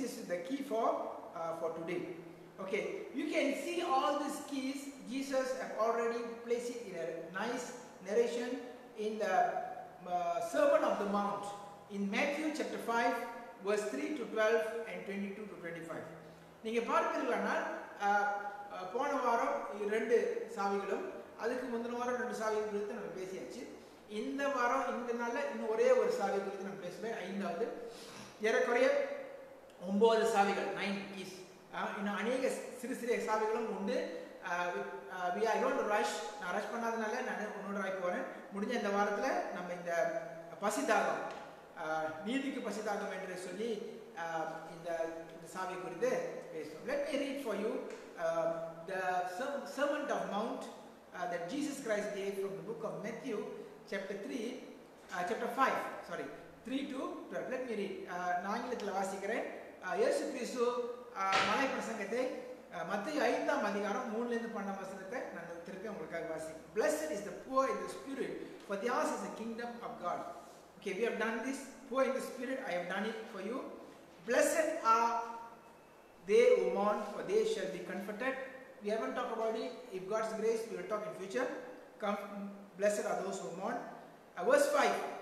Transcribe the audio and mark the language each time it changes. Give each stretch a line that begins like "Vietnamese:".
English: This is the key for today. Okay, you can see all these keys. Jesus have already placed it in a nice narration in the Sermon of the Mount in Matthew chapter 5 verse 3 to 12 and 22 to 25.
Tamil: நீங்க பார்த்தீங்களானால் போன வாரம் ரெண்டு சாவிகளும் அதுக்கு முந்தின வாரம் ரெண்டு சாவிகள் குறித்து நாம பேசியாச்சு. இந்த வாரம் இந்த நாள்ல இன்னும் ஒரே ஒரு சாவி குறித்து நாம பேசுவேன், ஐந்தாவது. ஏறக்குறைய 9 சாவிகள், 9 கீஸ். இன்னும் அநேக சிறு சிறு சாவிகளும் உண்டு.
English: We are going to rush.
Tamil: நான் ரஷ் பண்ணாதனால நான் இன்னொரு வாய்ப்பு வரேன். முடிஞ்ச இந்த வாரத்தில் நம்ம இந்த பசிதாகம், நீதிக்கு பசிதாகம் என்று சொல்லி இந்த சாவி குறித்து பேசுவோம்.
English: Let me read for you the Sermon of Mount that Jesus Christ gave from the book of Matthew, chapter 5, 3 to 12. Let me read.
Tamil: நான் இதில் வாசிக்கிறேன். இயேசு கிறிஸ்து மலை பிரசங்கத்தை மத்தேயு 5 அதிகாரம் 3 பன்னெண்டு வசனத்தை நான் திருப்பி உங்களுக்காக வாசிக்கிறேன்.
English: Blessed is the poor in the spirit, for theirs is the kingdom of God. Okay, we have done this. Poor in the spirit, I have done it for you. Blessed are they who mourn, for they shall be comforted. We haven't talked about it. If God's grace, we will talk in future. Blessed are those who mourn. Verse 5.